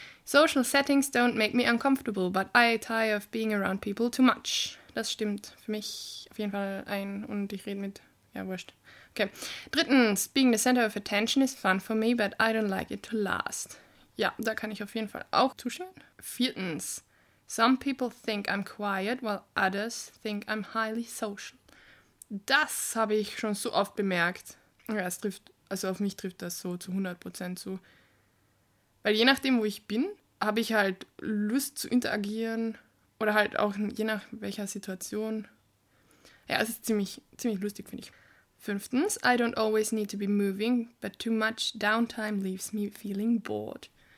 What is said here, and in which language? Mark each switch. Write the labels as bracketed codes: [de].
[en] Social settings don't make me uncomfortable, but I tire of being around people too much. [de] Das stimmt. Für mich auf jeden Fall ein und ich rede mit... Ja, wurscht. Okay. Drittens, [en] being the center of attention is fun for me, but I don't like it to last. [de] Ja, da kann ich auf jeden Fall auch zustimmen. Viertens, [en] some people think I'm quiet, while others think I'm highly social. [de] Das habe ich schon so oft bemerkt. Ja, es trifft, also auf mich trifft das so zu 100% zu. Weil je nachdem, wo ich bin, habe ich halt Lust zu interagieren oder halt auch je nach welcher Situation. Ja, es ist ziemlich lustig, finde ich. Fünftens, [en] I don't always need to be moving, but too much downtime leaves me feeling bored.